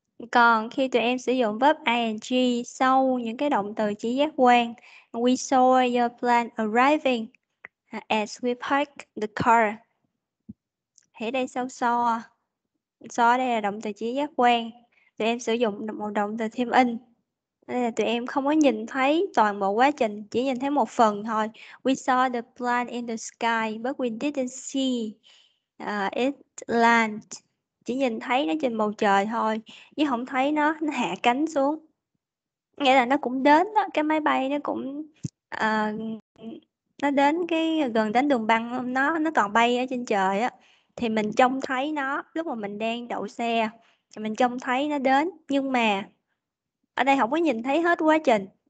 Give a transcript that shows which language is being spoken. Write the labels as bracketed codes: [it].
[vi] Còn khi tụi em sử dụng verb ing sau những cái động từ chỉ giác quan, [en] we saw your plane arriving as we parked the car. [vi] Thì đây sau saw đây là động từ chỉ giác quan, tụi em sử dụng một động từ thêm in. Đây là tụi em không có nhìn thấy toàn bộ quá trình, chỉ nhìn thấy một phần thôi. [en] We saw the plane in the sky, but we didn't see it land. [vi] Chỉ nhìn thấy nó trên bầu trời thôi, chứ không thấy nó hạ cánh xuống. Nghĩa là nó cũng đến đó, cái máy bay nó cũng nó đến cái gần đến đường băng, nó còn bay ở trên trời á. Thì mình trông thấy nó lúc mà mình đang đậu xe, mình trông thấy nó đến, nhưng mà ở đây không có nhìn thấy hết quá trình.